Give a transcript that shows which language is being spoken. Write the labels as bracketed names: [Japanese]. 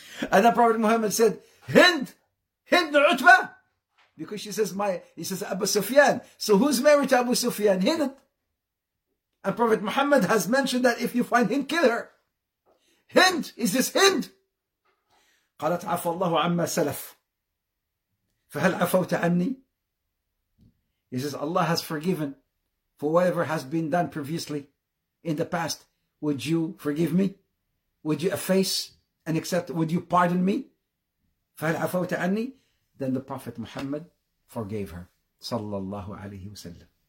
[English] And the Prophet Muhammad said, Hind Utbah. Because he says Abu Sufyan. So who's married to Abu Sufyan? Hind. And Prophet Muhammad has mentioned that if you find him, kill her. Hind, is this Hind? [Arabic] قالت عفو الله عما سلف فهل عفوت عني. [English] He says, Allah has forgiven for whatever has been done previously in the past. Would you forgive me? Would you efface and accept? Would you pardon me? [Arabic] فهل عفوت عني. [English] Then the Prophet Muhammad forgave her sallallahu alayhi wasallam.